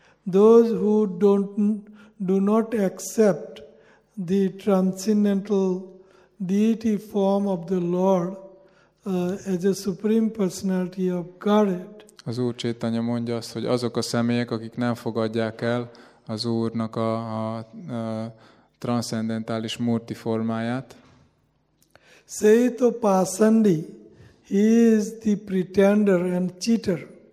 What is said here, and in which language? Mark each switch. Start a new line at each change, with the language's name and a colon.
English: Those who do not accept the transcendental deity form of the Lord as a supreme personality of Godhead.
Hungarian: Az Úr Chaitanya mondja azt, hogy azok a személyek, akik nem fogadják el az Úrnak a transzcendentális murti formáját.
Bangla: Seito Pasandi,
English: he is the pretender and cheater.